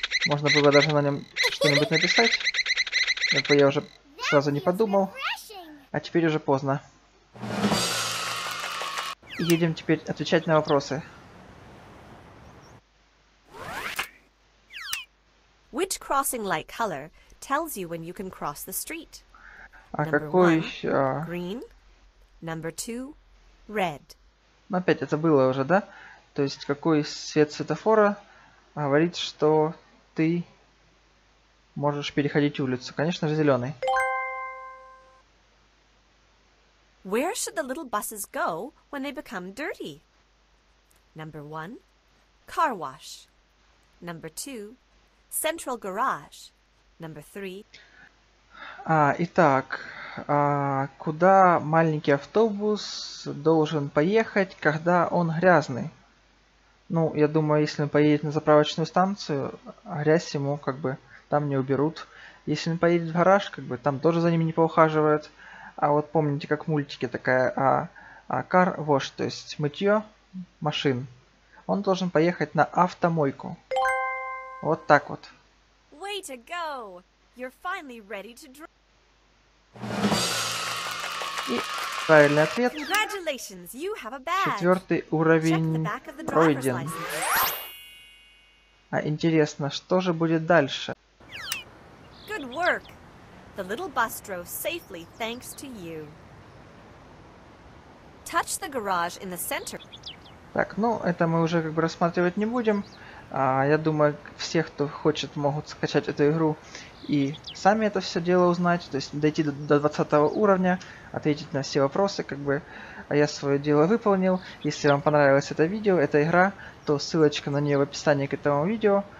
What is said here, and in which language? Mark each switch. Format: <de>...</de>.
<ru>Можно было даже на нем что-нибудь написать. Это я уже сразу не подумал. А теперь уже поздно. Едем теперь отвечать на вопросы.</ru> <en>Which crossing light color tells you when you can cross the street?</en> <ru>А какой еще?</ru> <en>Green. Number two, red.</en> <ru>Ну опять это было уже, да? То есть какой свет светофора говорит, что ты можешь переходить улицу? Конечно же зеленый.</ru> <en>Where should the little buses go when they become dirty? Number one, car wash. Number two, central garage. Number three.</en> <ru>А, итак, а куда маленький автобус должен поехать, когда он грязный? Ну, я думаю, если он поедет на заправочную станцию, грязь ему как бы там не уберут. Если он поедет в гараж, как бы там тоже за ним не поухаживают. А вот помните, как в мультике такая, car wash, то есть мытье машин. Он должен поехать на автомойку. Вот так вот.</ru> <en>Way to go! You're finally ready to drive.</en> <ru>И правильный ответ.</ru> <en>Congratulations, you have a badge.</en> <ru>Четвертый уровень пройден. А интересно, что же будет дальше?</ru> <en>Good work. The little bus drove safely thanks to you. Touch the garage in the center.</en> <ru>Так, ну это мы уже как бы рассматривать не будем. Я думаю, все, кто хочет, могут скачать эту игру и сами это все дело узнать, то есть дойти до 20 уровня, ответить на все вопросы, как бы. А я свое дело выполнил. Если вам понравилось это видео, эта игра, то ссылочка на нее в описании к этому видео.</ru>